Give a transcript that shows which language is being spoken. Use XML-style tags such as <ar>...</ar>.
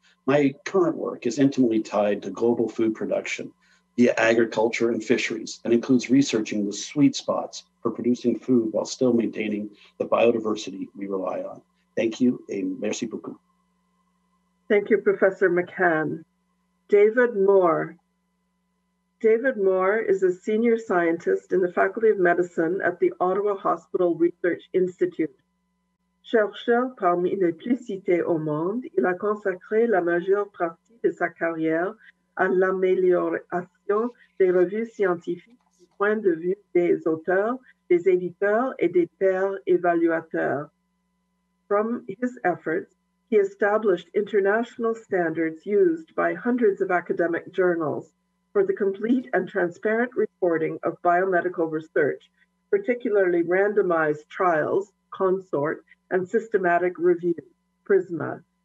<en>My current work is intimately tied to global food production via agriculture and fisheries, and includes researching the sweet spots for producing food while still maintaining the biodiversity we rely on. Thank you, and</en> <fr>merci beaucoup.</fr> <en>Thank you, Professor McCann. David Moore. David Moore is a senior scientist in the Faculty of Medicine at the Ottawa Hospital Research Institute.</en> <fr>Chercheur parmi les plus cités au monde, il a consacré la majeure partie de sa carrière à l'amélioration des revues scientifiques du point de vue des auteurs, des éditeurs et des pairs évaluateurs.</fr> <en>From his efforts, he established international standards used by hundreds of academic journals for the complete and transparent reporting of biomedical research, particularly randomized trials, consort, and systematic review, PRISMA.</en>